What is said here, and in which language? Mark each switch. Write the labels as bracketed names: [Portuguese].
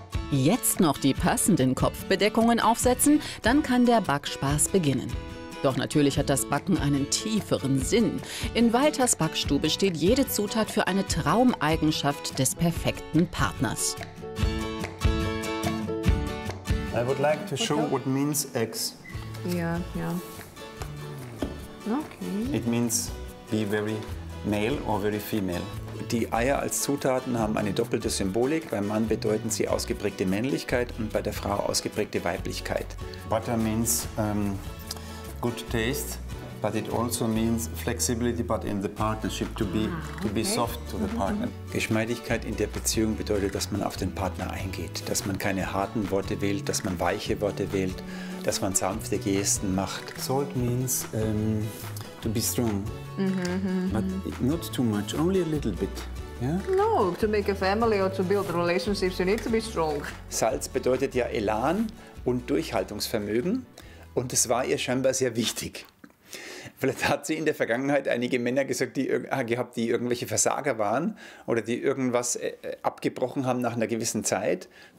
[German] Jetzt noch die passenden Kopfbedeckungen aufsetzen, dann kann der Backspaß beginnen. Doch natürlich hat das Backen einen tieferen Sinn. In Walters Backstube steht jede Zutat für eine Traumeigenschaft des perfekten Partners. [English] I would like to show what means eggs. Okay. It means be very male or very female. [German] Die Eier als Zutaten haben eine doppelte Symbolik. Beim Mann bedeuten sie ausgeprägte Männlichkeit und bei der Frau ausgeprägte Weiblichkeit. [English] Butter means good taste, but it also means flexibility, but in the partnership to be soft to the partner. [German] Geschmeidigkeit in der Beziehung bedeutet, dass man auf den Partner eingeht, dass man keine harten Worte wählt, dass man weiche Worte wählt, dass man sanfte Gesten macht. [English] Salt means to be strong, but not too much, only a little bit. Yeah? No, to make a family or to build relationships, you need to be strong. [German] Salz bedeutet ja Elan und Durchhaltungsvermögen und es war ihr scheinbar sehr wichtig. Vielleicht hat sie in der Vergangenheit einige Männer gehabt, die irgendwelche Versager waren oder die irgendwas abgebrochen haben nach einer gewissen Zeit.